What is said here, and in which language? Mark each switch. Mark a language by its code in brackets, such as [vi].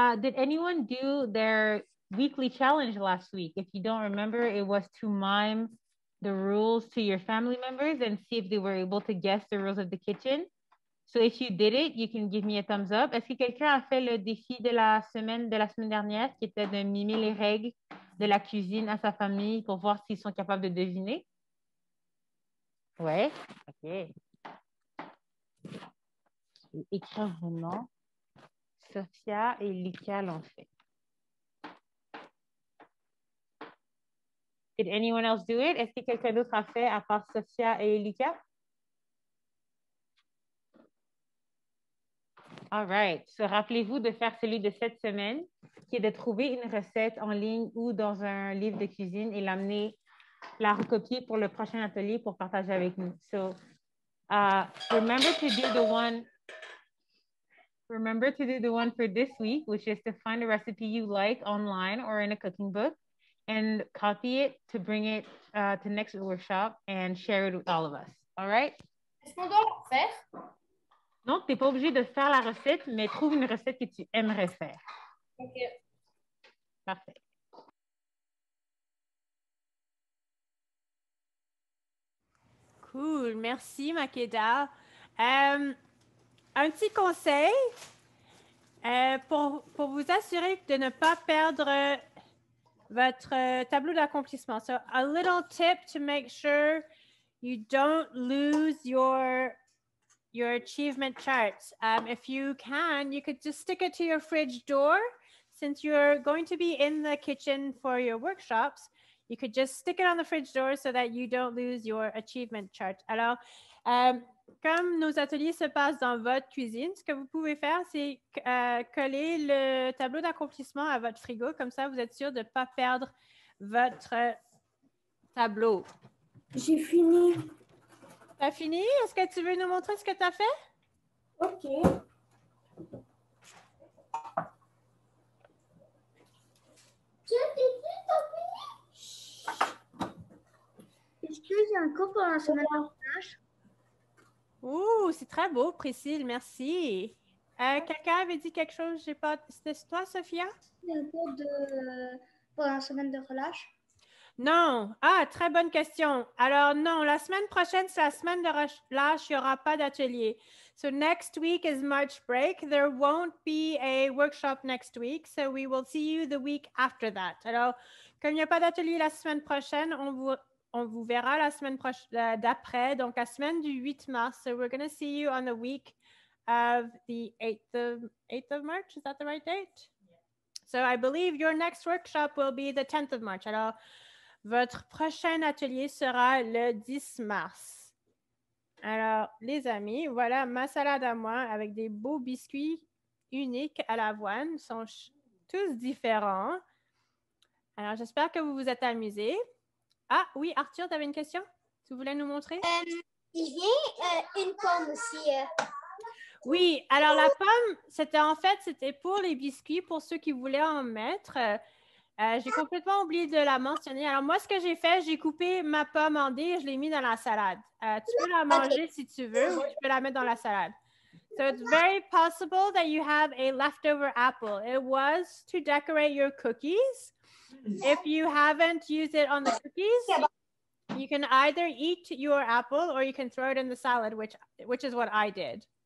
[en] Did anyone do their weekly challenge last week? If you don't remember, it was to mime the rules to your family members and see if they were able to guess the rules of the kitchen. So if you did it, you can give me a thumbs up. [fr] Est-ce que quelqu'un a fait le défi de la semaine dernière qui était de mimer les règles de la cuisine à sa famille pour voir s'ils sont capables de deviner? Ouais. OK. Écrire vos noms. Sophia et Lucas l'ont fait. [en] Did anyone else do it? [fr] Est-ce que quelqu'un d'autre a fait à part Sophia et Lucas? [en] All right. So, [fr] rappelez-vous de faire celui de cette semaine, qui est de trouver une recette en ligne ou dans un livre de cuisine et l'amener, la recopier pour le prochain atelier pour partager avec nous. [en] So, remember to do the one. Remember to do the one for this week, which is to find a recipe you like online or in a cooking book and copy it to bring it to next workshop and share it with all of us. All right? [fr] Est-ce qu'on doit faire? Non, tu n'es pas obligé de faire la recette, mais trouve une recette que tu aimerais faire. OK. Parfait. Cool. Merci, Makeda. Un petit conseil pour vous assurer de ne pas perdre votre tableau d'accomplissement. [en] So, a little tip to make sure you don't lose your achievement charts. If you can, you could just stick it to your fridge door. Since you're going to be in the kitchen for your workshops, you could just stick it on the fridge door so that you don't lose your achievement chart. [fr] Alors, comme nos ateliers se passent dans votre cuisine, ce que vous pouvez faire, c'est coller le tableau d'accomplissement à votre frigo. Comme ça, vous êtes sûr de ne pas perdre votre tableau. J'ai fini. T'as fini? Est-ce que tu veux nous montrer ce que tu as fait? OK. Je t'ai dit, t'as fini? Excuse, j'ai un cours pour la semaine de montage. Ouh, c'est très beau, Priscille, merci. Quelqu'un avait dit quelque chose, j'ai pas. C'était toi, Sophia? Un cours pour la semaine de relâche. Non. Ah, très bonne question. Alors, non, la semaine prochaine, c'est la semaine de relâche, il n'y aura pas d'atelier. [en] So, next week is March break. There won't be a workshop next week. So, we will see you the week after that. [fr] Alors, comme il n'y a pas d'atelier la semaine prochaine, on vous verra la semaine d'après. Donc, la semaine du 8 mars. [en] So, we're going to see you on the week of the 8th of March. Is that the right date? So, I believe your next workshop will be the 10th of March. [fr] Alors, votre prochain atelier sera le 10 mars. Alors, les amis, voilà ma salade à moi avec des beaux biscuits unique à l'avoine. Ils sont tous différents. Alors, j'espère que vous vous êtes amusés. Ah oui, Arthur, tu avais une question? Tu voulais nous montrer? Il y a une pomme aussi. Oui, alors la pomme, c'était pour les biscuits, pour ceux qui voulaient en mettre. J'ai complètement oublié de la mentionner. Alors moi, ce que j'ai fait, j'ai coupé ma pomme en dés et je l'ai mis dans la salade. Tu peux la manger si tu veux, ou tu peux la mettre dans la salade. [en] So it's very possible that you have a leftover apple. It was to decorate your cookies. If you haven't used it on the cookies, you can either eat your apple or you can throw it in the salad, which is what I did.